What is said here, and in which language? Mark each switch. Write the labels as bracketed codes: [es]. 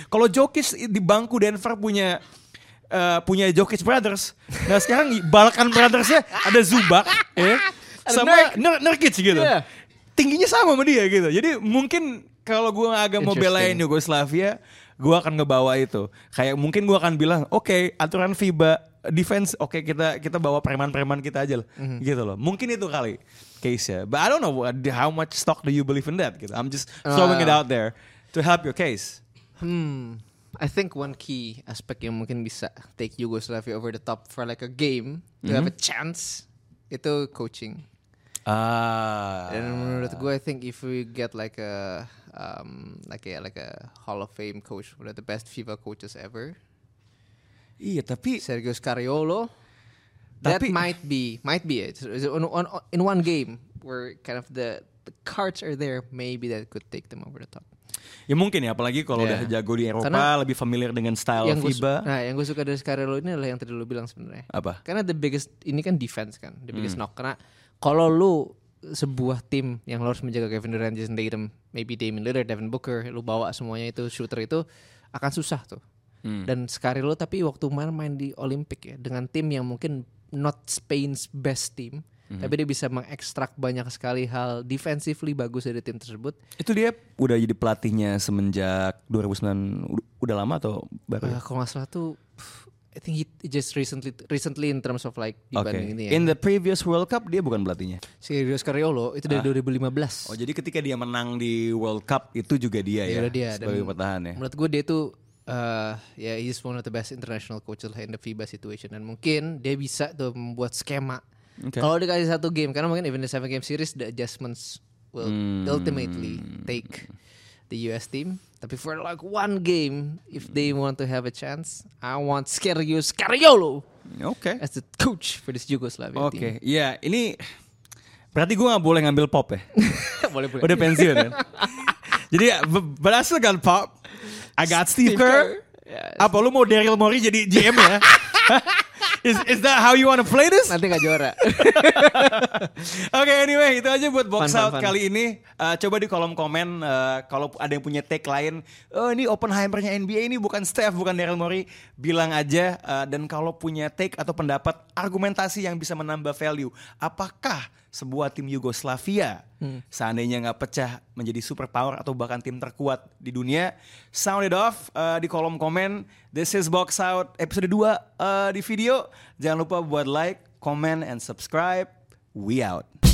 [id] Kalau Jokic di bangku Denver punya punya Jokic Brothers, nah sekarang Balkan Brothersnya ada Zubac, sama Nurkic gitu. Tingginya sama sama dia gitu. Jadi mungkin kalau gue agak mau belain Yugoslavia, gue akan ngebawa itu. Kayak mungkin gue akan bilang, oke, aturan FIBA defense, oke, kita bawa preman-preman kita aja lah. Gitu loh. Mungkin itu kali case-nya. [en] But I don't know how much stock do you believe in that. [id] Gitu. [en] I'm just throwing it out there to help your case. I think one key aspect [id] yang mungkin bisa [en] take Yugoslavia over the top for like a game, you have a chance, [id] itu coaching. Ah. Dan menurut gue, [en] I think if we get like like a Hall of Fame coach, one of the best FIFA coaches ever. [id] Iya, tapi [en] Sergio Scariolo. That might be it. In one game where kind of the cards are there, maybe that could take them over the top. [id] Ya mungkin ya, apalagi kalau udah jago di Eropa, karena lebih familiar dengan style FIBA. Nah, yang gue suka dari Scariolo ini adalah yang tadi lu bilang sebenarnya. Apa? Karena the biggest, ini kan defense kan, [en] the biggest knock. [id] Karena kalau lu sebuah tim yang lu harus menjaga Kevin Durant, Jason Tatum, maybe Damian Lillard, Devin Booker, lu bawa semuanya itu, shooter itu, akan susah tuh. Dan Scariolo tapi waktu main di Olympic ya, dengan tim yang mungkin [en] not Spain's best team, [id] tapi dia bisa mengekstrak banyak sekali hal defensively bagus dari tim tersebut. Itu dia udah jadi pelatihnya semenjak 2009, udah lama atau baru? Kalau gak salah tuh, [en] I think he just recently in terms of like [id] dibanding ini ya. [en] In the previous World Cup [id] dia bukan pelatihnya? Sergio Scariolo itu dari 2015. Oh jadi ketika dia menang di World Cup itu juga dia ya? Iya dia. Sebagai pertahan ya. Menurut gue dia tuh, [en] he's one of the best international coaches in the FIBA situation. [id] Dan mungkin dia bisa tuh membuat skema. [en] Okay. [id] Kalau dikasih satu game, karena mungkin [en] even the 7-game series, the adjustments will ultimately take the US team. [id] Tapi [en] for like one game, if they want to have a chance, I want Sergio Scariolo as the coach for this Yugoslavia team. Okay. Yeah, [id] ini berarti gue gak boleh ngambil Pop ya? Boleh-boleh. Udah pensiun ya? Jadi, [en] but I still got Pop. I got Steve Kerr. [id] Apa lu mau Daryl Morey jadi GM ya? [en] Is that how you want to play this? [id] Nanti gak juara. [en] Okay, anyway, [id] itu aja buat box out kali ini. Coba di kolom komen kalau ada yang punya take lain. Oh, ini Oppenheimer-nya NBA ini bukan Steph, bukan Daryl Morey. Bilang aja. Dan kalau punya take atau pendapat, argumentasi yang bisa menambah value. Apakah sebuah tim Yugoslavia seandainya gak pecah menjadi superpower atau bahkan tim terkuat di dunia? [en] Sound it off di kolom komen. This is Box Out episode 2 [id] di video. Jangan lupa buat [en] like, comment, and subscribe. We out.